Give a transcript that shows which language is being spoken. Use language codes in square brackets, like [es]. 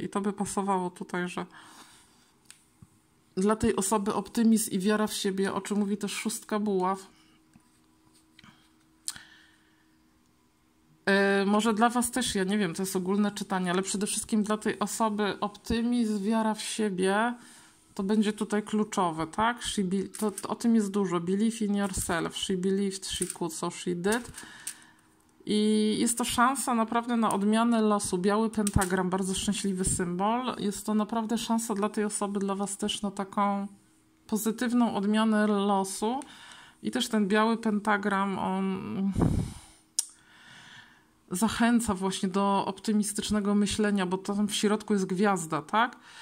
[pl] I to by pasowało tutaj, że dla tej osoby optymizm i wiara w siebie, o czym mówi też szóstka buław. Może dla was też, ja nie wiem, to jest ogólne czytanie, ale przede wszystkim dla tej osoby optymizm, wiara w siebie, to będzie tutaj kluczowe, tak? To o tym jest dużo. [en] Believe in yourself. She believed, she could, so she did. [pl] I jest to szansa naprawdę na odmianę losu. Biały pentagram, bardzo szczęśliwy symbol. Jest to naprawdę szansa dla tej osoby, dla was też na taką pozytywną odmianę losu. I też ten biały pentagram, on zachęca właśnie do optymistycznego myślenia, bo tam w środku jest gwiazda, tak?